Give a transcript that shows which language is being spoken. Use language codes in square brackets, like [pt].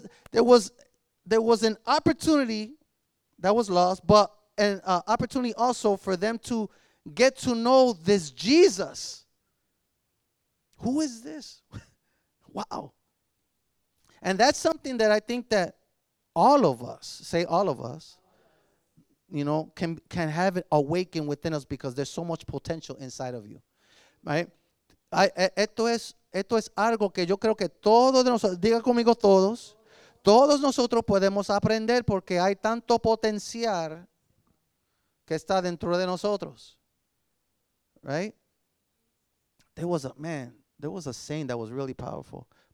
[en] There was an opportunity that was lost, but an opportunity also for them to get to know this Jesus. Who is this? Wow. And that's something that I think that all of us, say all of us, you know, can have it awaken within us because there's so much potential inside of you, right? [es] Esto es algo que yo creo que todos nosotros, diga conmigo todos, todos nosotros podemos aprender porque hay tanto potencial que está dentro de nosotros, right? [en] There was a saying that was really powerful.